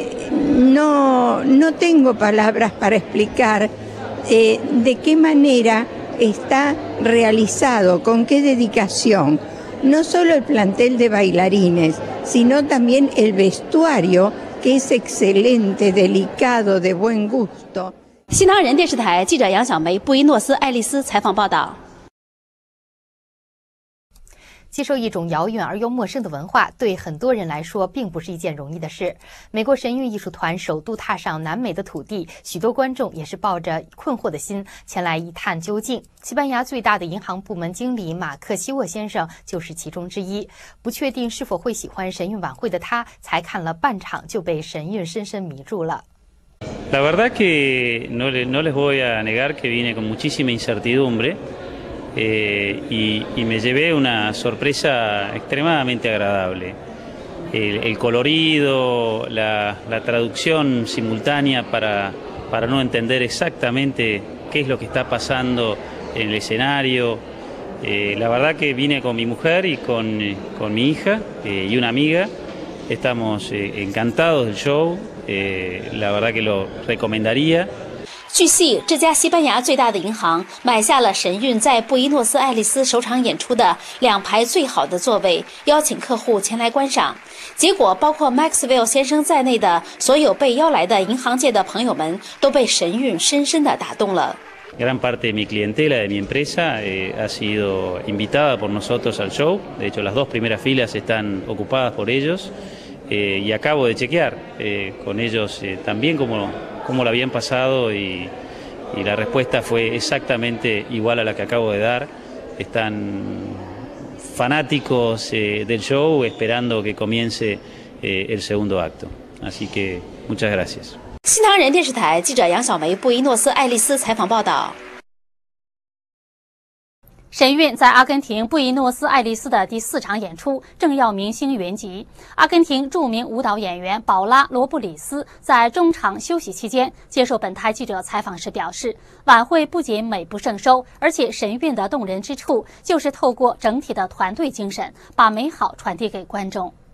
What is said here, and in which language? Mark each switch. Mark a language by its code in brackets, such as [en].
[es] No tengo palabras para explicar de qué manera está realizado, con qué dedicación. No solo el plantel de bailarines, sino también el vestuario, que es excelente, delicado, de buen gusto. [zh] 新唐人电视台记者杨小梅、布宜诺斯艾利斯采访报道。接受一种遥远而又陌生的文化，对很多人来说并不是一件容易的事。美国神韵艺术团首度踏上南美的土地，许多观众也是抱着困惑的心前来一探究竟。西班牙最大的银行部门经理马克·西沃先生就是其中之一。不确定是否会喜欢神韵晚会的他，才看了半场就被神韵深深迷住了。 [es] La verdad que no les voy a negar que vine con muchísima incertidumbre. Y me llevé una sorpresa extremadamente agradable. El colorido, la traducción simultánea para no entender exactamente qué es lo que está pasando en el escenario. La verdad que vine con mi mujer y con mi hija y una amiga. Estamos encantados del show. La verdad que lo recomendaría. [zh] 据悉，这家西班牙最大的银行买下了神韵在布宜诺斯艾利斯首场演出的两排最好的座位，邀请客户前来观赏。结果，包括 Maxwell 先生在内的所有被邀来的银行界的朋友们都被神韵深深地打动了。 [es] Gran parte de mi clientela de mi empresa ha sido invitada por nosotros al show. De hecho, las dos primeras filas están ocupadas por ellos. Y acabo de chequear con ellos también como lo habían pasado y la respuesta fue exactamente igual a la que acabo de dar. Están fanáticos del show esperando que comience el segundo acto. Así que muchas gracias. [zh] 新唐人电视台记者杨小梅、布宜诺斯艾利斯采访报道。神韵在阿根廷布宜诺斯艾利斯的第四场演出正要明星云集。阿根廷著名舞蹈演员宝拉·罗布里斯在中场休息期间接受本台记者采访时表示，晚会不仅美不胜收，而且神韵的动人之处就是透过整体的团队精神把美好传递给观众。